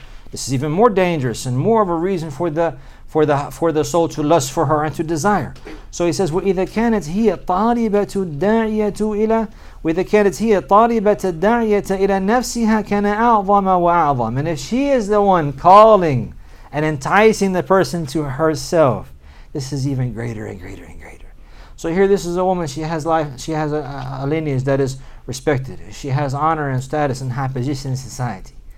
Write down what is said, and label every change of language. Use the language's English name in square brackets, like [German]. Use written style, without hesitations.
[English] This is even more dangerous and more of a reason for the soul to lust for her and to desire. [Arabic] So he says, وَإِذَا كَانَتْ هِيَ طَالِبَةُ دَعْيَةُ إِلَى وَإِذَا كَانَتْ هِيَ طَالِبَةَ دَعْيَةَ إِلَى نَفْسِهَا كَانَ أَعْظَمَ وَأَعْظَمَ. [English] And if she is the one calling and enticing the person to herself, this is even greater and greater and greater. So here this is a woman, she has life, she has a lineage that is respected. She has honor and status and high position in society.